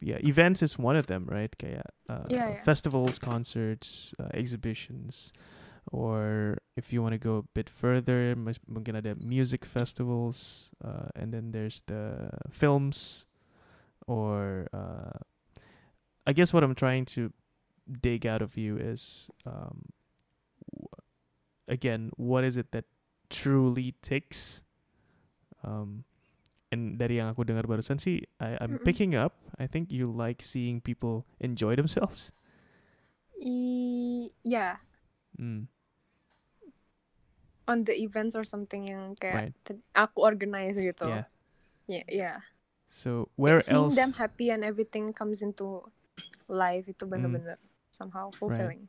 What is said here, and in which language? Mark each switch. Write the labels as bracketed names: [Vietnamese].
[English] Yeah, events is one of them, right? Kayak festivals, concerts, exhibitions, or if you want to go a bit further, mungkin ada music festivals, and then there's the films, or I guess what I'm trying to dig out of you is, again, what is it that truly ticks? [Indonesian] And dari yang aku dengar barusan sih, [English] I'm picking up. I think you like seeing people enjoy themselves. Yeah. On the events or something [Indonesian] yang kayak aku [English] organize gitu. Yeah. So where seeing else? Seeing them happy and everything comes into life [Indonesian] itu benar-benar [English] somehow fulfilling.